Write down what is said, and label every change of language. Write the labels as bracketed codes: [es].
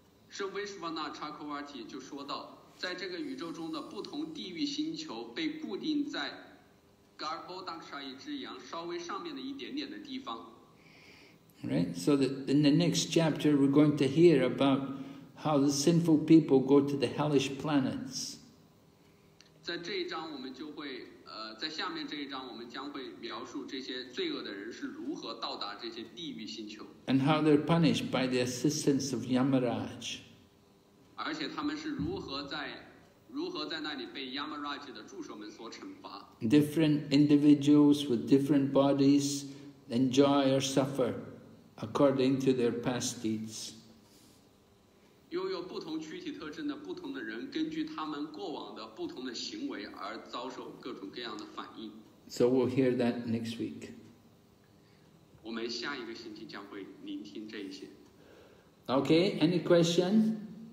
[en] So [zh] Vishwanath Chakravarti 就说到, 在这个宇宙中的不同地域星球被固定在 Garbhodakshayi之洋稍微上面的一点点的地方。 [en] Right, so that in the next chapter we're going to hear about how the sinful people go to the hellish planets. [zh] 在这一章我们就会, 在下面这一章我们将会描述这些罪恶的人是如何到达这些地狱星球。 [en] And how they're punished by the assistance of Yamaraj. [zh] 而且他们是如何在, 如何在那里被Yamaraj的助手们所惩罚。 [en] Different individuals with different bodies enjoy or suffer according to their past deeds. [zh] 拥有不同躯体特征的不同的人根据他们过往的不同的行为而遭受各种各样的反应。 [en] So we'll hear that next week. [zh] 我们下一个星期将会聆听这一些。 [en] Okay, any question?